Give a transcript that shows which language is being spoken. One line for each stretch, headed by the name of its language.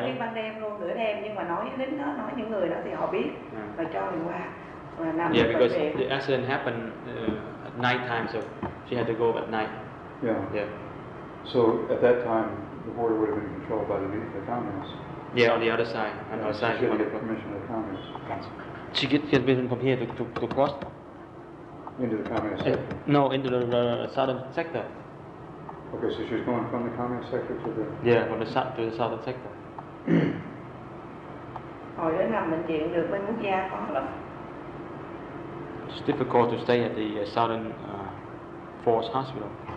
Vietnamese: luôn, đi ban đêm luôn, nửa đêm, nhưng mà nói với lính đó, nói những người đó thì họ biết và cho mình qua.
English: Yeah, because the accident happened at night time, so she had to go at night. Yeah. Yeah. So at that time, the border would have been controlled by the communists. Yeah, on the other side. On the other side. She get permission of the communists. She get permission from here to cross? Into the communist sector? No, into the southern sector. Okay, so she's going from the communist sector to the... Yeah, from the south to the southern sector.
Vietnamese: Hồi đó nằm bệnh viện được bên quốc gia khó lắm.
English: It's difficult to stay at the Southern Force Hospital.